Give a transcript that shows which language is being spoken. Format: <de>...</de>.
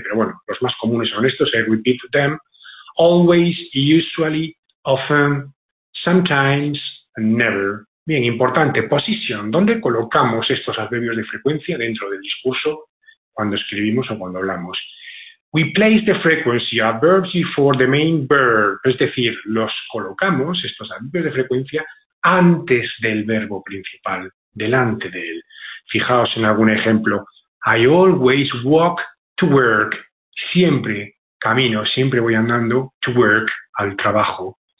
<es>Pero bueno, los más comunes son estos,</es> <en>I repeat them. Always, usually, often, sometimes, never.</en> <es>Bien, importante, position. ¿Dónde colocamos estos adverbios de frecuencia dentro del discurso cuando escribimos o cuando hablamos?</es> <en>We place the frequency adverbs before the main verb.</en> <es>Es decir, los colocamos, estos adverbios de frecuencia, antes del verbo principal, delante de él. Fijaos en algún ejemplo.</es> <en>I always walk to work.</en> <es>Siempre camino, siempre voy andando</es> <en>to work,</en> <es>al trabajo.</es>